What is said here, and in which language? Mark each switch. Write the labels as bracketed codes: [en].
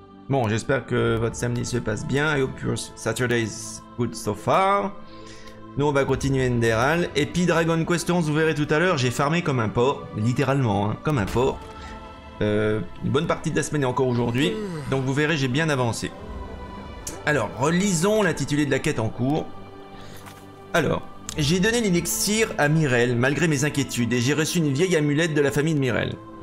[fr] Bon, j'espère que votre samedi se passe bien. [en] I hope your Saturday is good so far. [fr] Nous, on va continuer Enderal. Et puis, Dragon Quest 11, vous verrez tout à l'heure, j'ai farmé comme un porc. Littéralement, hein, comme un porc. Une bonne partie de la semaine est encore aujourd'hui. Donc, vous verrez, j'ai bien avancé. Alors, relisons l'intitulé de la quête en cours. Alors, j'ai donné l'élixir à Mirel, malgré mes inquiétudes. Et j'ai reçu une vieille amulette de la famille de Mirel.